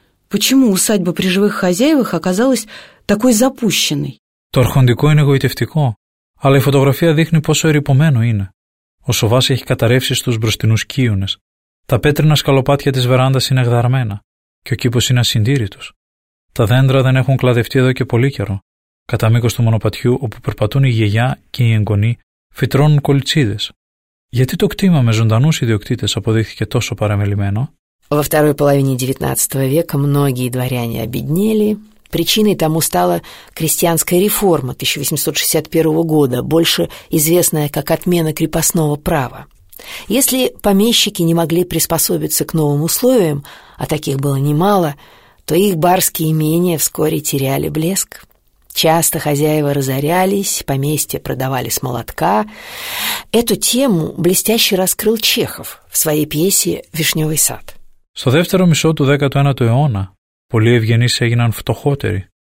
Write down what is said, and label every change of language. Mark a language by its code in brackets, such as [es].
[ru] Почему усадьба при живых хозяевах оказалась такой запущенной? [el] То архондико είναι γοητευτικό, αλλά η φωτογραφία δείχνει πόσο ερυπωμένο είναι. Ο σοβάς έχει καταρρεύσει στους μπροστινούς κίονες. Τα πέτρινα σκαλοπάτια της βεράντας είναι γδαρμένα. Και ο κήπος είναι ασυντήρητος. Τα δέντρα δεν έχουν κλαδευτεί εδώ και πολύ καιρό. Κατά μήκος του μονοπατιού, όπου περπατούν η γιαγιά και η εγγονή, φυτρώνουν κολτσίδες. Γιατί το κτήμα με ζωντανούς ιδιοκτήτες αποδείχθηκε τόσο παραμελημένο? [ru] Во второй половине XIX века многие дворяне обеднели. Причиной тому стала крестьянская реформа 1861 года, больше известная как отмена крепостного права. Если помещики не могли приспособиться к новым условиям, а таких было немало, то их барские имения вскоре теряли блеск. Часто хозяева разорялись, поместья продавали с молотка. Эту тему блестяще раскрыл Чехов в своей пьесе «Вишневый сад». [el] Στο δεύτερο μισό του 19ου αιώνα, πολλοί ευγενείς έγιναν φτωχότεροι.